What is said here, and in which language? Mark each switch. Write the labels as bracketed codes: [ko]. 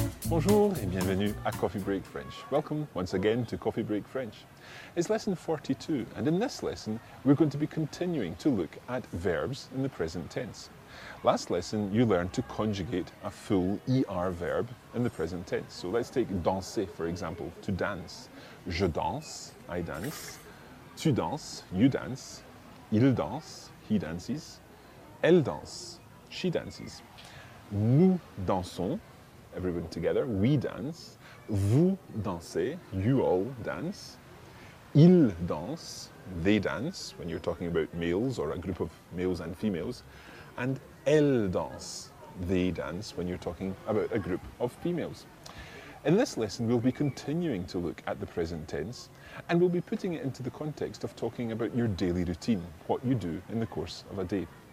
[fr] Bonjour et bienvenue à Coffee Break French. [en] Welcome once again to Coffee Break French. It's lesson 42, and in this lesson, we're going to be continuing to look at verbs in the present tense. Last lesson, you learned to conjugate a full ER verb in the present tense. So let's take danser, for example, to dance. [fr] Je danse, [en] I dance. [fr] Tu danses, [en] you dance. [fr] Il danse, [en] he dances. [fr] Elle danse, [en] she dances. [fr] Nous dansons. [en] Everyone together, we dance. [fr] Vous dansez, [en] you all dance. [fr] Ils dansent, [en] they dance, when you're talking about males or a group of males and females. And [fr] elles dansent, [en] they dance, when you're talking about a group of females. In this lesson, we'll be continuing to look at the present tense, and we'll be putting it into the context of talking about your daily routine, what you do in the course of a day.